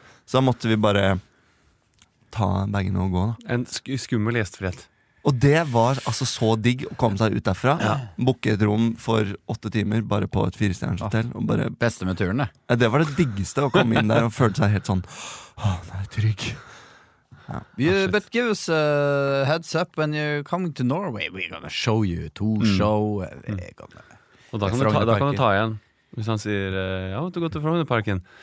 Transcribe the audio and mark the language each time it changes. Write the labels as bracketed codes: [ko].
[no] Så da måtte vi bare ta bagene og gå da. En skummel gjestfrihet. Og det var altså så digg å komme seg ut derfra. Bukke et rom for 8 timer bare på et 4-stjerners hotell. Beste med turen, det. Ja, det var det diggeste å komme inn der og føle seg helt sånn, åh, det er trygg. [en] But give us a heads up when you're coming to Norway. We're gonna show you two show. [no] Og da kan du ta igjen. Hvis han sier, jeg måtte gå til Frognerparken.